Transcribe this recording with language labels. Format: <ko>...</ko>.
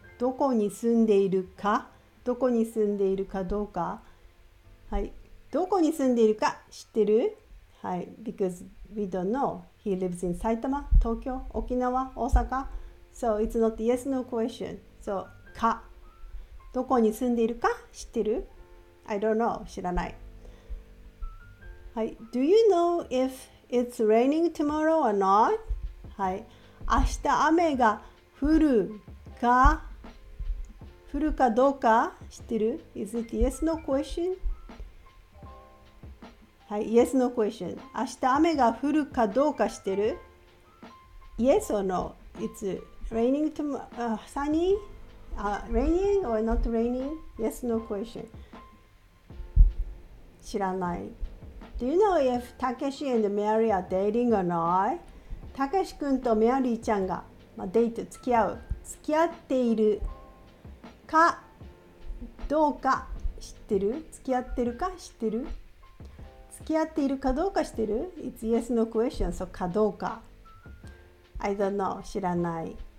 <ja>どこに住んでいるか、どこに住んでいるかどうか、はい、どこに住んでいるか知ってる？はい、</ja> <en>because we don't know. He lives in Saitama, Tokyo, Okinawa, Osaka. So it's not yes no question. So, か。</en> <ja>どこに住んでいるか知ってる？</ja> <en>I don't know.</en> <ja>知らない。はい。</ja> <en>Do you know if it's raining tomorrow or not?</en> <ja>はい。明日雨が降るか、降るかどうか知ってる？</ja> <en>Is it yes no question?</en> <ja>はい、</ja> <en>Yes, no question.</en> <ja>明日雨が降るかどうか知ってる？</ja> <en>Yes or no? It's raining tomorrow, sunny? Raining or not raining? Yes, no question.</en> <ja>知らない。</ja> <en>Do you know if Takeshi and Mary are dating or not?</en> <ja>Takeshi 君と Mary ちゃんが、まあ、デート、付き合う。付き合っているかどうか知ってる？付き合ってるか知ってる？付き合っているかどうか知ってる？</ja> <en>It's yes no question. So,</en> <ja>かどうか。</ja> <en>I don't know.</en> <ja>知らない。</ja>